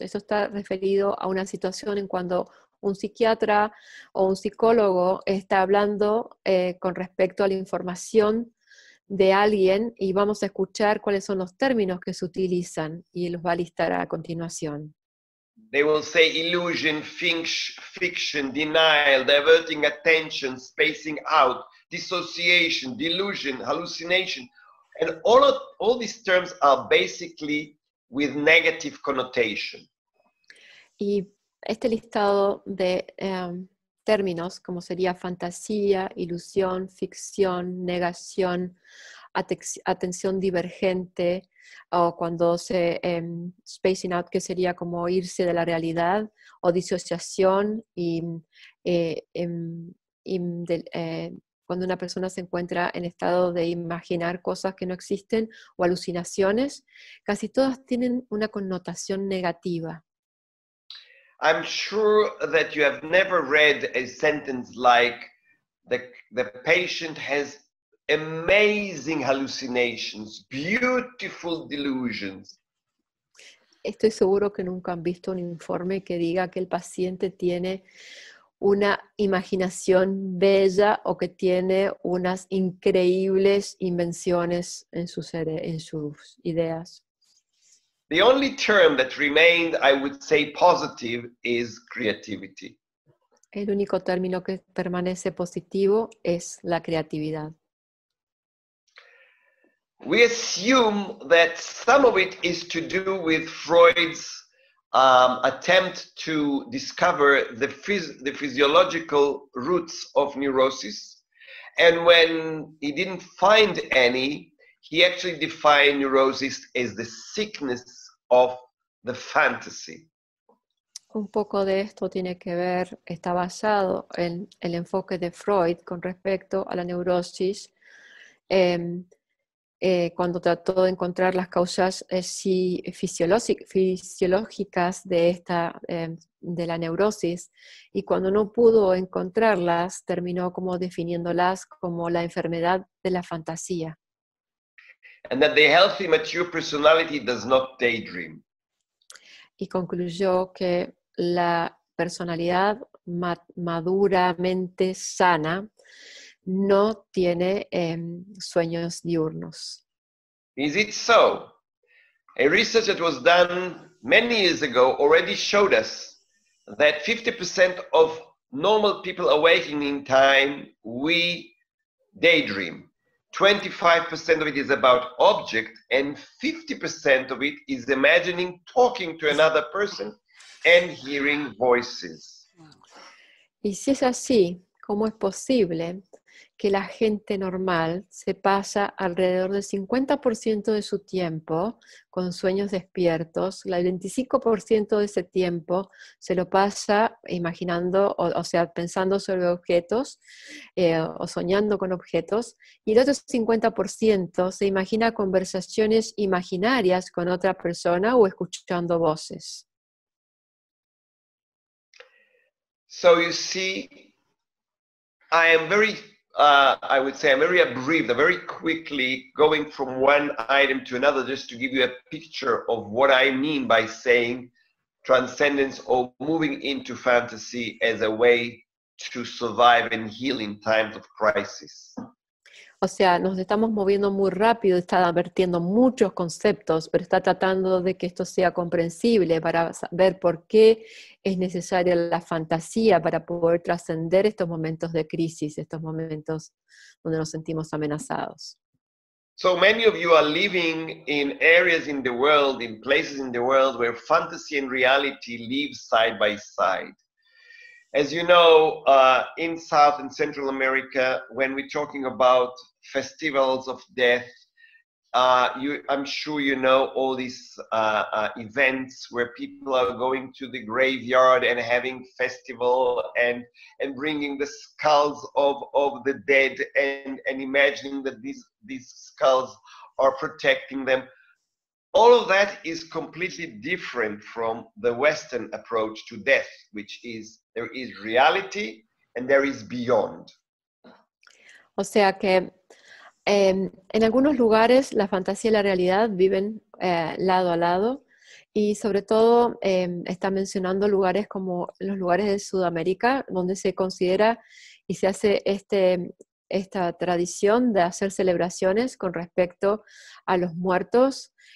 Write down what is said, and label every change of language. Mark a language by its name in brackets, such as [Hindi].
[Spanish] Eso está referido a una situación en cuando un psiquiatra o un psicólogo está hablando con respecto a la información de alguien, y vamos a escuchar cuáles son los términos que se utilizan y los va a listar a continuación. [English] They will say illusion, fiction, denial, diverting attention, spacing out, dissociation, delusion, hallucination, and all these terms are basically with negative connotation. [Spanish] Y este listado de términos como sería fantasía, ilusión, ficción, negación, atención divergente, o cuando se [English] spacing out, [Spanish] que sería como irse de la realidad, o disociación, cuando una persona se encuentra en estado de imaginar cosas que no existen, o alucinaciones, casi todas tienen una connotación negativa. [English] I'm sure that you have never read a sentence like the patient has amazing hallucinations, beautiful delusions. [Spanish] Estoy seguro que nunca han visto un informe que diga que el paciente tiene una imaginación bella o que tiene unas increíbles invenciones en sus ideas. [English] The only term that remained, I would say, positive is creativity. [Spanish] El único término que permanece positivo es la creatividad. [English] We assume that some of it is to do with Freud's attempt to discover the physiological roots of neurosis. And when he didn't find any, he actually defined neurosis as the sickness of the fantasy. [Spanish] Un poco de esto tiene que ver, está basado en el enfoque de Freud con respecto a la neurosis, cuando trató de encontrar las causas fisiológicas de esta de la neurosis, y cuando no pudo encontrarlas, terminó como definiéndolas como la enfermedad de la fantasía. [English] And that the healthy, mature personality does not daydream. [Spanish] Y concluyó que la personalidad maduramente sana no tiene sueños diurnos. [English] Is it so? A research that was done many years ago already showed us that 50% of normal people awakening time, we daydream. 25% of it is about object, and 50% of it is imagining talking to another person and hearing voices. [Spanish] Y si es así, ¿cómo es posible que la gente normal se pasa alrededor del 50% de su tiempo con sueños despiertos, el 25% de ese tiempo se lo pasa imaginando, o sea, pensando sobre objetos o soñando con objetos, y el otro 50% se imagina conversaciones imaginarias con otra persona o escuchando voces. [English] So you see, I am very, I would say, I'm very abreast, very quickly going from one item to another, just to give you a picture of what I mean by saying transcendence or moving into fantasy as a way to survive and heal in times of crisis. [Spanish] O sea, nos estamos moviendo muy rápido, está advirtiendo muchos conceptos, pero está tratando de que esto sea comprensible para saber por qué es necesaria la fantasía para poder trascender estos momentos de crisis, estos momentos donde nos sentimos amenazados. [English] So many of you are living in areas in the world, in places in the world where fantasy and reality live side by side. As you know, in South and Central America, when we're talking about festivals of death, I'm sure you know all these events where people are going to the graveyard and having festival and bringing the skulls of the dead and imagining that these skulls are protecting them. All of that is completely different from the Western approach to death, which is there is reality and there is beyond. [Spanish] O sea que en algunos lugares la fantasía y la realidad viven lado a lado, y sobre todo está mencionando lugares como los lugares de Sudamérica, donde se considera y se hace esta tradición de hacer celebraciones con respecto a los muertos.